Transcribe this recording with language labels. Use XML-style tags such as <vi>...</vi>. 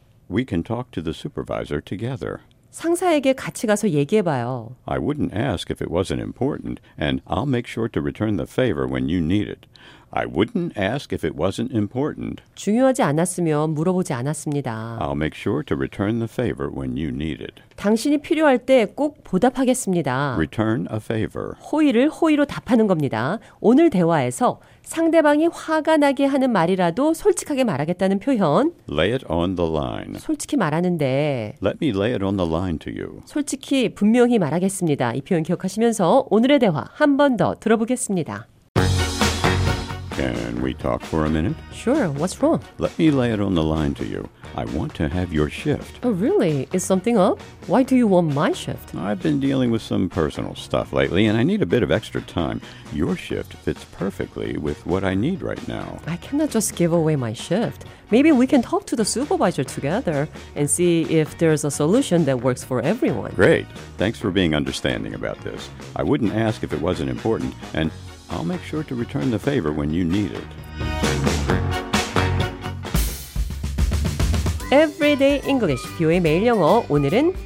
<en>We can talk to the supervisor together.</en> <ko>상사에게 같이 가서 얘기해 봐요.</ko> <en>I wouldn't ask if it wasn't important, and I'll make sure to return the favor when you need it. I wouldn't ask if it wasn't important.</en> <ko>중요하지 않았으면 물어보지 않았습니다.</ko> <en>I'll make sure to return the favor when you need it.</en> <ko>당신이 필요할 때 꼭 보답하겠습니다.</ko> <en>Return a favor.</en> <ko>호의를 호의로 답하는 겁니다. 오늘 대화에서 상대방이 화가 나게 하는 말이라도 솔직하게 말하겠다는 표현.</ko> <en>Lay it on the line.</en> <ko>솔직히 말하는데.</ko> <en>Let me lay it on the line to you.</en> <ko>솔직히 분명히 말하겠습니다. 이 표현 기억하시면서 오늘의 대화 한 번 더 들어보겠습니다.</ko> <en>Can we talk for a minute? Sure. What's wrong? Let me lay it on the line to you. I want to have your shift. Oh, really? Is something up? Why do you want my shift? I've been dealing with some personal stuff lately, and I need a bit of extra time. Your shift fits perfectly with what I need right now. I cannot just give away my shift. Maybe we can talk to the supervisor together and see if there's a solution that works for everyone. Great. Thanks for being understanding about this. I wouldn't ask if it wasn't important, and I'll make sure to return the favor when you need it.</en> <ko>Everyday English, 뷰의 매일 영어, 오늘은</ko>